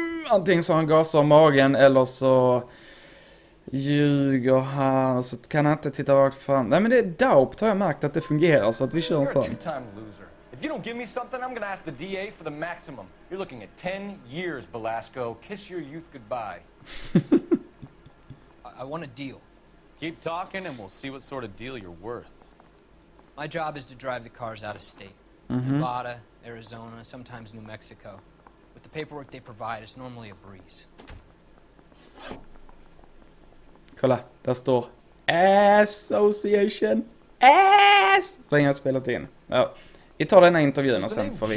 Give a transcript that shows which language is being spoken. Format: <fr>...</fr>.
<sv>antingen så han gasar magen eller så ljuger han och så kan han inte titta rakt fram. Nej, men det är doubt, har jag märkt att det fungerar, så att vi kör en sån.</sv> <en>If you don't give me something, I'm gonna ask the DA for the maximum. You're looking at 10 years, Belasco. Kiss your youth goodbye. I want a deal. Keep talking and we'll see what sort of deal you're worth. My job is to drive the cars out of state. Mm-hmm. Nevada, Arizona, sometimes New Mexico. With the paperwork they provide, it's normally a breeze.</en> <sv>Kolla, där står Association. Ass! Länge har jag spelat in. Ja. Oh. Vi tar den här intervjun och sen får vi...</sv>